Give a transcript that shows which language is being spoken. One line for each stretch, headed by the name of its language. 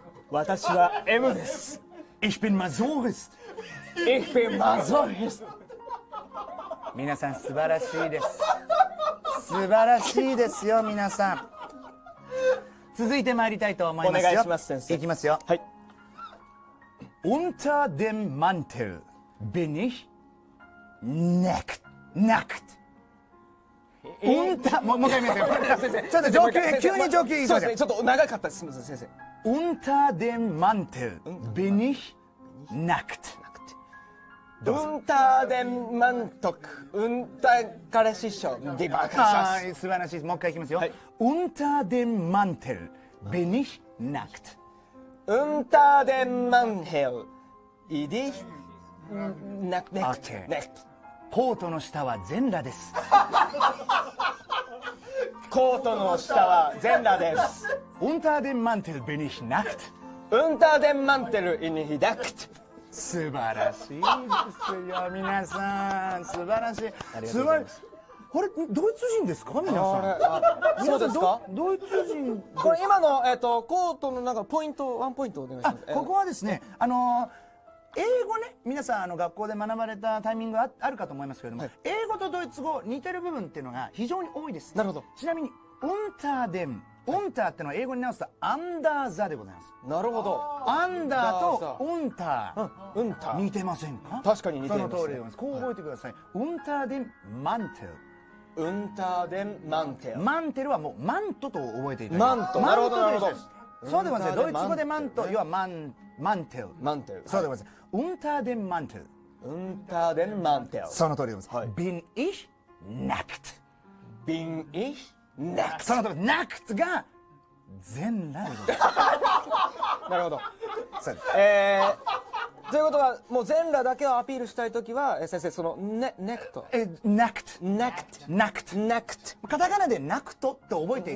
Japanese: 私は M です。
German: Ich bin Masochist. Ich bin Masochist.
Japanese: 皆さん素晴らしいです。素晴らしいですよ皆さん。続いて参りたいと思いますよ。お願いします先生。いきますよ。はい。
German: Unter dem Mantel bin ich nackt. Nackt.
Japanese: Unter, もう一回見ますよ。ちょっと上級、急に上級言いそうですね。ちょっと長かったです。すみません、先生。
German: Unter dem Mantel bin ich nackt. Unter dem Mantel. Unter
Japanese: から師匠。はい、素晴らしい。もう一回いきますよ。
German: Unter dem Mantel bin ich nackt. Unter dem Mantel bin ich nackt. Okay.
Japanese: コートの下は全裸です。コートの下は全裸です。
German: Unter dem Mantel bin ich nackt. Unter dem Mantel bin ich nackt.
Japanese: 素晴らしいですよ皆さん。素晴らしい。ありがとうございます。あれドイツ人ですか皆さん。あ、そうですか。ドイツ人。これ今のコートのなんかポイント、ワンポイントお願いします。ここはですね、英語ね、皆さん学校で学ばれたタイミングあるかと思いますけれども、はい、英語とドイツ語似てる部分っていうのが非常に多いです、ね、なるほど。ちなみに
German: Unter dem、
Japanese: Unter ってのは英語に直すと
English: Under the
Japanese: でございます。なるほど。 Under と Unter、 Unter 似てませんか。確かに似てますね。その通りでございます。こう覚えてください、はい、
German: Unter dem Mantel。 Unter dem Mantel。
Japanese: Mantel はもうマントと覚えていただきます。マント。なるほど、なるほど。そうでございます。ドイツ語でマント、要はマン、マントル。マントル。そうでございます。
German: Unter dem Mantel。 Unter dem Mantel。
Japanese: その通りでございます。はい。
German: Bin ich nackt。 Bin ich nackt。
Japanese: その通り、nackt が全裸でございます。なるほど。そうです。ということは、もう全裸だけをアピールしたいときは、先生、その、ね、ネクト。ナクト。ナクト。ナクト。ナクト。カタカナでナクトって覚えてい